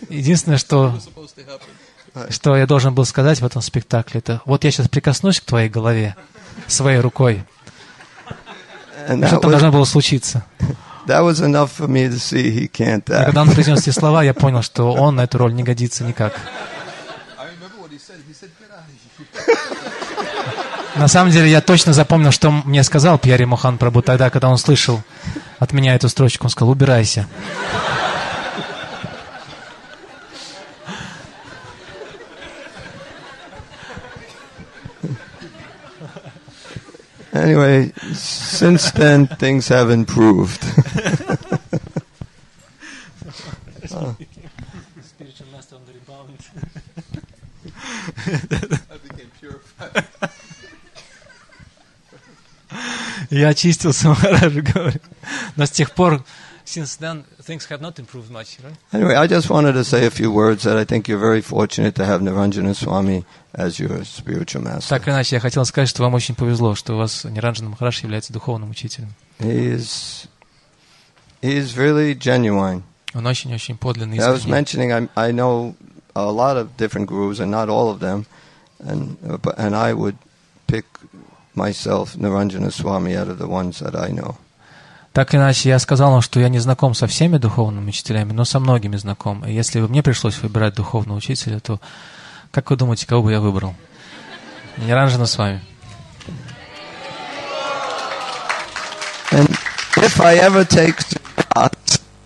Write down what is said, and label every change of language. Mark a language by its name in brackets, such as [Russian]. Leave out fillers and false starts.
[Russian] Единственное, что я должен был сказать в этом спектакле, это вот я сейчас прикоснусь к твоей голове своей рукой. Что-то должно было случиться. [English] That was enough for me to see he can't act. [Russian] Когда он произнес эти слова, я понял, что он на эту роль не годится никак. [English] I remember what he said. He said, get out of here. [Russian] На самом деле, я точно запомнил, что мне сказал Пьяри Мохан Прабу тогда, когда он слышал от меня эту строчку. Он сказал, убирайся. [English] Anyway, since then, things have improved. Spiritual master on the rebound. [Russian] Я очистился, Махараджи говорит. Но с тех пор, [English] since then, things have not improved much, right? Anyway, I just wanted to say a few words that I think you're very fortunate to have Niranjana Swami as your spiritual master. [Russian] Так или иначе, я хотел сказать, что вам очень повезло, что у вас Niranjana Maharaj является духовным учителем. [English] He is really genuine. [Russian] Он очень-очень подлинный, искренний. [English] I was mentioning, I know a lot of different gurus, and not all of them, and I would pick myself, Niranjana Swami, out of the ones that I know. [Russian] Так иначе, я сказал вам, что я не знаком со всеми духовными учителями, но со многими знаком. И если бы мне пришлось выбирать духовного учителя, то как вы думаете, кого бы я выбрал? Niranjana Swami. [English] And if I ever take sannyas,